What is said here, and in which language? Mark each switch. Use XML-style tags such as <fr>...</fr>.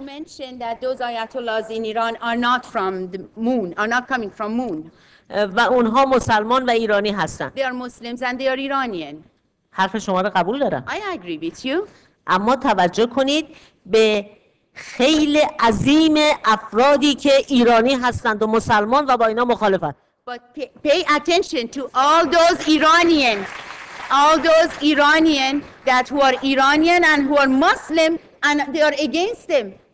<en>You mentioned that those ayatollahs in Iran are not from the moon are not coming from moon</en> <fa>و اونها مسلمان و ایرانی هستن</fa> <en>They are Muslims and they are Iranian</en> <fa>حرف شما رو قبول دارم</fa> <en>I agree with you</en> <fa>اما توجه کنید به خیلی عظیم افرادی که ایرانی هستند و مسلمان و با اینا مخالفت</fa> <en>But pay attention to all those Iranian that who are Iranian and who are Muslim and they are against them.</en>